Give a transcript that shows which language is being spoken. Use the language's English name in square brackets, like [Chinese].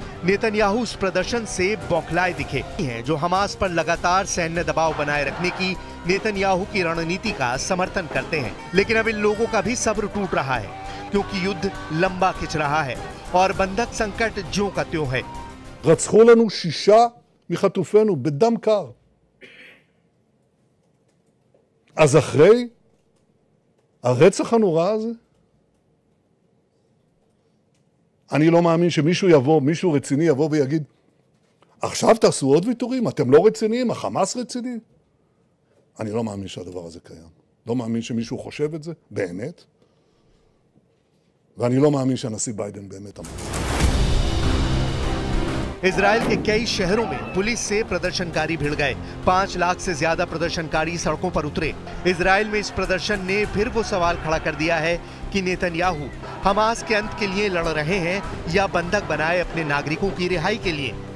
[Hindi] Netanyahu उस प्रदर्शन से बौखलाए दिखे हैं, जो हमास पर लगातार सैन्य दबाव बनाए रखने की नेतन्याहू की रणनीति का समर्थन करते हैं। लेकिन अब इन लोगों का भी सब्र टूट रहा है, क्योंकि युद्ध लंबा खिंच रहा है और बंधक संकट ज्यों का त्यों है। [Hebrew] רצחו לנו 6 מחטופינו בדם קר. אז אחרי הרצח הנורא הזה, אני לא מאמין שמישהו יבוא, מישהו רציני יבוא ויגיד, עכשיו תעשו עוד ויתורים, אתם לא רציניים, החמאס רציני. אני לא מאמין שהדבר הזה קיים. לא מאמין שמישהו חושב את זה, באמת. ואני לא מאמין שהנשיא ביידן באמת אמר. [Hindi] इजराइल के कई शहरों में पुलिस से प्रदर्शनकारी भिड़ गए। 5 लाख से ज्यादा प्रदर्शनकारी सड़कों पर उतरे। इजराइल में इस प्रदर्शन ने फिर वो सवाल खड़ा कर दिया है कि नेतन्याहू हमास के अंत के लिए लड़ रहे हैं या बंधक बनाए अपने नागरिकों की रिहाई के लिए।